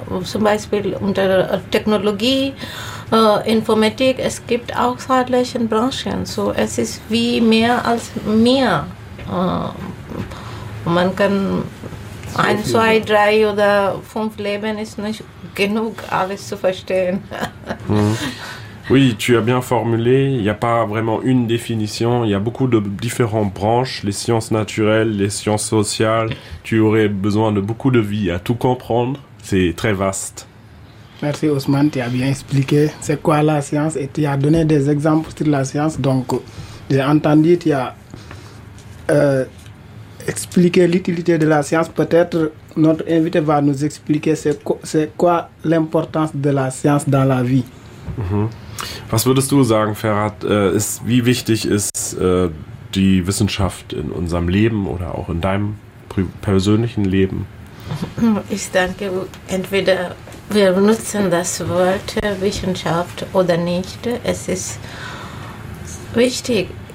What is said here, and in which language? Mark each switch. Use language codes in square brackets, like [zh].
[de] Zum Beispiel unter Technologie, Informatik, es gibt auch zahlreiche Branchen. So, es ist wie mehr als mehr. Man kann 1, 2, 3 oder 5 Leben ist nicht genug, alles zu verstehen. [fr] Oui, tu as bien formulé, il n'y a pas vraiment une définition, il y a beaucoup de différentes branches, les sciences naturelles, les sciences sociales, tu aurais besoin de beaucoup de vie à tout comprendre, c'est très vaste. Merci Ousmane, tu as bien expliqué c'est quoi la science et tu as donné des exemples sur la science, donc j'ai entendu, tu as expliqué l'utilité de la science, peut-être notre invité va nous expliquer c'est quoi l'importance de la science dans la vie. [de] Was würdest du sagen, Ferhat, wie wichtig ist die Wissenschaft in unserem Leben oder auch in deinem persönlichen Leben? Ich denke, entweder wir nutzen das Wort Wissenschaft oder nicht. Es ist wichtig.